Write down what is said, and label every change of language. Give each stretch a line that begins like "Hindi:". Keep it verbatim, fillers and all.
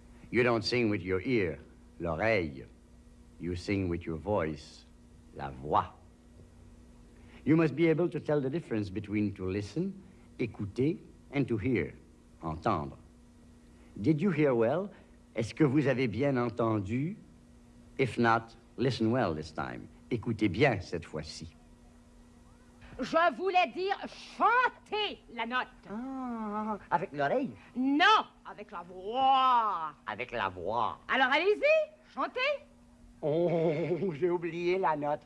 English: You don't sing with your ear, l'oreille. You sing with your voice, la voix. You must be able to tell the difference between to listen, écouter, and to hear, entendre. Did you hear well?
French: Est-ce que vous avez bien entendu?
English: If not, listen well this time.
French: Écoutez bien cette fois-ci. Je voulais dire chanter la note. Ah, avec l'oreille? Non, avec la voix. Avec la voix. Alors allez-y, chantez. Oh, j'ai oublié la note.